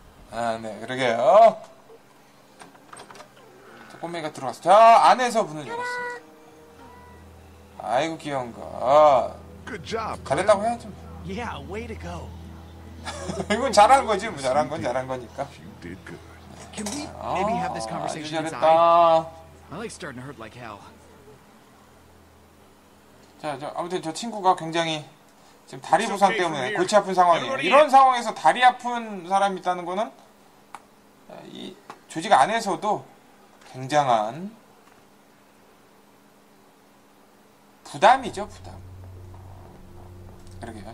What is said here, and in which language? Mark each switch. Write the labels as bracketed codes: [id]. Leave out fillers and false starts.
[ko] 아, 네, 그러게요. 꼬맹이가 들어왔어. 자, 안에서 문을 열었습니다. 아이고, 귀여운 것. 잘했다고 해야죠. [en] Yeah, way to go. [ko] 이건 잘한 거지, 뭐 잘한 건 잘한 거니까. [en] You did good. Can we maybe have this conversation inside? [ko] 잘했다. [en] My leg's starting to hurt like hell. [ko] 자, 저, 아무튼 저 친구가 굉장히 지금 다리 부상 때문에 골치 아픈 상황이에요. 이런 상황에서 다리 아픈 사람이 있다는 거는 이 조직 안에서도 굉장한 부담이죠, 부담. 그러게요.